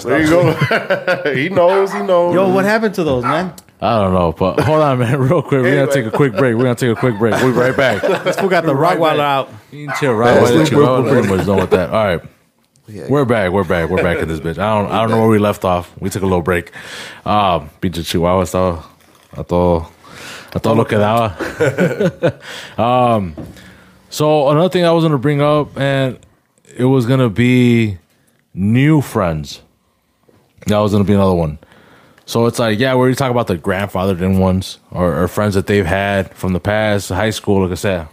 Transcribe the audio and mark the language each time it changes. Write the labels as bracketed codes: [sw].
[en] There you go. He knows. Yo, what happened to those, man? I don't know, but hold on, man. Real quick. Anyway. We're going to take a quick break. We'll be right back. We got the Rottweiler out. You can chill, Rottweiler. All right. We're back. We're back in this bitch. I don't know where we left off. We took a little break. [es] Pinche Chihuahua estaba a todo lo que daba. [en] So another thing I was going to bring up, and it was going to be new friends. That was going to be another one. So it's like, yeah, we're talking about the grandfathered in ones or friends that they've had from the past, high school, like I said.